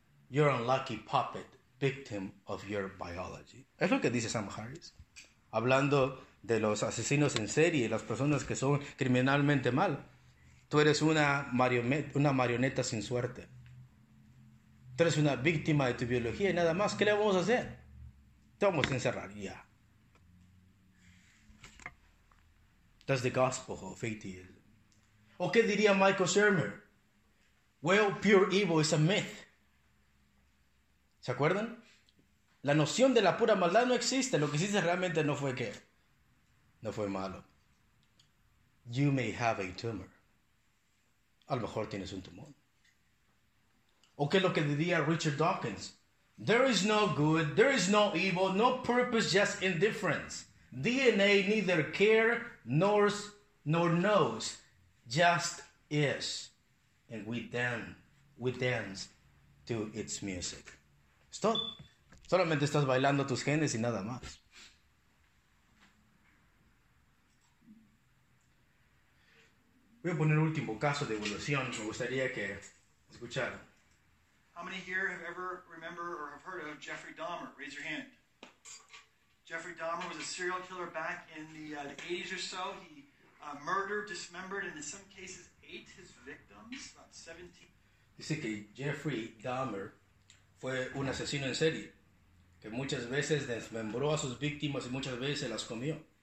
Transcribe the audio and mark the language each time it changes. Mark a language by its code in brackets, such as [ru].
[en] You're an unlucky puppet, victim of your biology. [es] Es lo que dice Sam Harris. Hablando de los asesinos en serie, las personas que son criminalmente mal. Tú eres una marioneta sin suerte. Tú eres una víctima de tu biología y nada más. ¿Qué le vamos a hacer? Te vamos a encerrar ya. Yeah. [en] That's the gospel of atheism. ¿O qué diría Michael Shermer? Well, pure evil is a myth. ¿Se acuerdan? [es] La noción de la pura maldad no existe. Lo que existe realmente no fue ¿qué? No fue malo. You may have a tumor. A lo mejor tienes un tumor. ¿O qué es lo que diría Richard Dawkins? [en] There is no good, there is no evil, no purpose, just indifference. DNA neither care nor knows, just is. And we dance to its music. Stop. [es] Solamente estás bailando tus genes y nada más. Voy a poner último caso de evolución. Me gustaría que escucharan. [en] How many here have ever remember or have heard of Jeffrey Dahmer? Raise your hand. Jeffrey Dahmer was a serial killer back in the 80s or so. He murdered, dismembered, and in some cases ate his victims. About 17. [es] Dice que Jeffrey Dahmer fue un asesino en serie. que muchas veces desmembró a sus víctimas y muchas veces se las comió.